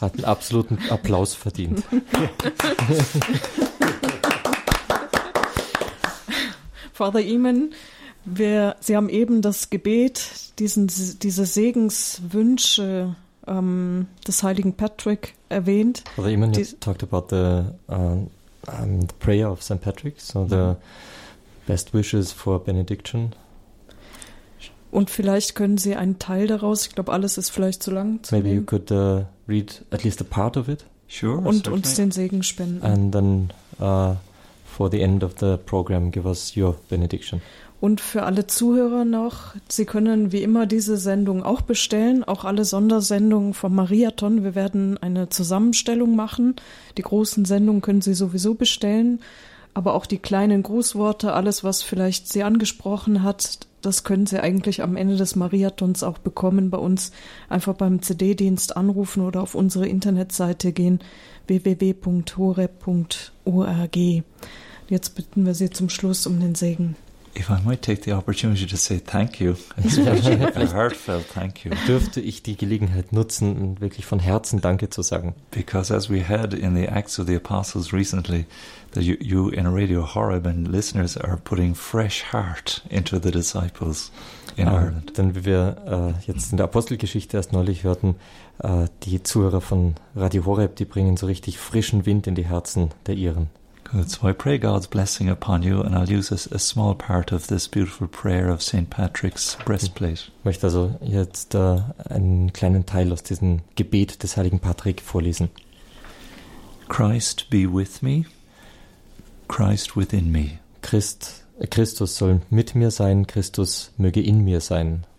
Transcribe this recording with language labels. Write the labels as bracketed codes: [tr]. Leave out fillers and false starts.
[de] Hat einen absoluten Applaus verdient. Father Eamon, Sie haben eben das Gebet, diese Segenswünsche des heiligen Patrick erwähnt. [en] Father Eamon, you talked about the prayer of St. Patrick, so the best wishes for benediction. [de] Und vielleicht können Sie einen Teil daraus, ich glaube, alles ist vielleicht zu lang. [en] Maybe you could read at least a part of it. Sure. [de] Und uns den Segen spenden. [en] And then for the end of the program give us your benediction. [de] Und für alle Zuhörer noch, Sie können wie immer diese Sendung auch bestellen, auch alle Sondersendungen vom Mariathon. Wir werden eine Zusammenstellung machen. Die großen Sendungen können Sie sowieso bestellen, aber auch die kleinen Grußworte, alles, was vielleicht Sie angesprochen hat, das können Sie eigentlich am Ende des Mariathons auch bekommen bei uns. Einfach beim CD-Dienst anrufen oder auf unsere Internetseite gehen, www.horeb.org. Jetzt bitten wir Sie zum Schluss um den Segen. [en] If I might take the opportunity to say thank you, a heartfelt thank you. [de] Dürfte ich die Gelegenheit nutzen, wirklich von Herzen Danke zu sagen? [en] Because as we heard in the Acts of the Apostles recently, that you in Radio Horeb and listeners are putting fresh heart into the disciples in Ireland. [de] Denn wie wir jetzt in der Apostelgeschichte erst neulich hörten, die Zuhörer von Radio Horeb, die bringen so richtig frischen Wind in die Herzen der Iren. [en] So I pray God's blessing upon you, and I'll use a small part of this beautiful prayer of St. Patrick's breastplate. [de] Ich möchte also jetzt einen kleinen Teil aus diesem Gebet des heiligen Patrick vorlesen. [en] Christ be with me, Christ within me. [de] Christus soll mit mir sein, Christus möge in mir sein.